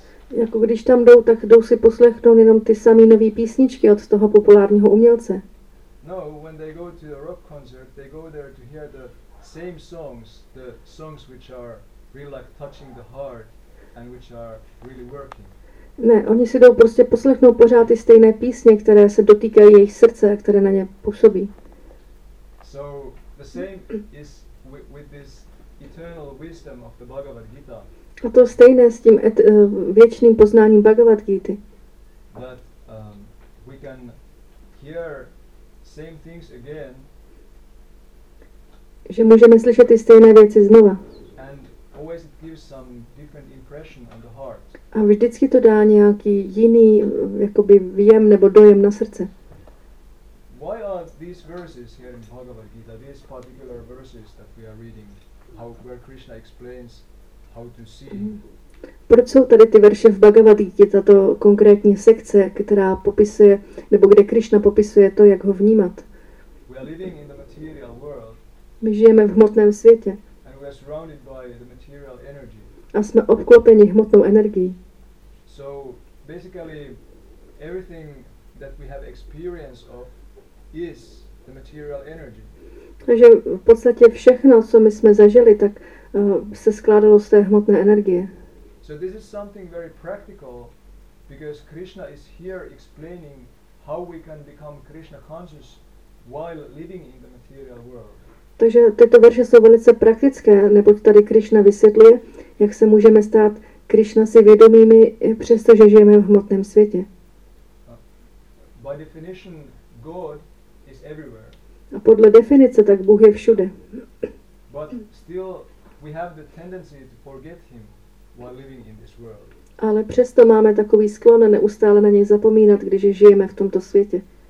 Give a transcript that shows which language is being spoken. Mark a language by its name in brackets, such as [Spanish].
[Czech] Jako když tam jdou, tak jdou si poslechnout jenom ty samé nové písničky od toho populárního umělce. [English] No, when they go to a rock concert, they go there to hear the same songs, the songs which are really like touching the heart and which are really working. [Czech] Ne, oni si jdou prostě poslechnout pořád ty stejné písně, které se dotýkají jejich srdce a které na ně působí. [English] So the same is with this eternal wisdom of the Bhagavad Gita. [Czech] A to stejné s tím věčným poznáním Bhagavad Gita. [English] That we can hear same things again. [Czech] Že můžeme slyšet ty stejné věci znova. [English] And always it gives some different impression on the heart. [Czech] A vždycky to dá nějaký jiný jakoby vjem nebo dojem na srdce. [English] Why are these verses here in Bhagavad Gita, these particular verses that we are reading, where Krishna explains how to see. [Czech] Proč jsou tady ty verše v Bhagavad Gita, tato konkrétní sekce, která popisuje, nebo kde Krishna popisuje to, jak ho vnímat? [English] We are living in the material world, [Czech] my žijeme v hmotném světě. [English] And we are surrounded by the material energy. [Czech] A jsme obklopeni hmotnou energií. [English] So basically everything that we have experience of is the material energy. [Czech] Takže v podstatě všechno, co my jsme zažili, tak se skládalo z té hmotné energie. [English] So this is something very practical because Krishna is here explaining how we can become Krishna conscious while living in the material world. [Czech] Takže tyto verše jsou velice praktické, neboť tady Krishna vysvětluje, jak se můžeme stát Krishna si vědomými, přestože žijeme v hmotném světě. [English] By definition, God is everywhere. [Czech] A podle definice, tak Bůh je všude. [English] But still we have the tendency to forget him while living in this world. [Czech] Ale přesto máme takový sklon neustále na něj zapomínat, když žijeme v tomto světě.